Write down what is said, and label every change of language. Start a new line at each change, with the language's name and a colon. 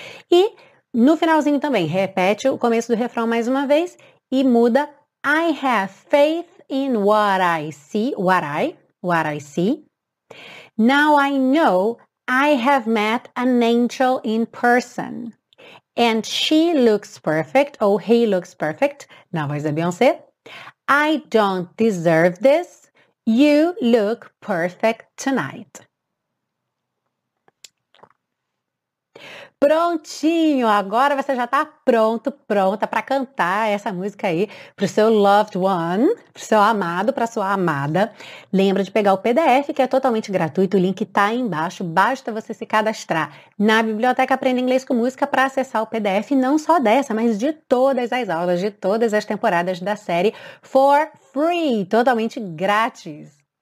Portuguese: E no finalzinho também, repete o começo do refrão mais uma vez e muda.
English: I have faith in what I see, what I see. Now I know I have met an angel in person. And she looks perfect, or he looks perfect,
Portuguese: na voz da Beyoncé.
English: I don't deserve this. You look perfect tonight.
Portuguese: Prontinho, agora você já tá pronto, pronta para cantar essa música aí pro seu
English: loved one,
Portuguese: pro seu amado, pra sua amada. Lembra de pegar o PDF, que é totalmente gratuito, o link tá aí embaixo, basta você se cadastrar na Biblioteca Aprenda Inglês com Música para acessar o PDF, não só dessa, mas de todas as aulas, de todas as temporadas da série
English: for free,
Portuguese: totalmente grátis.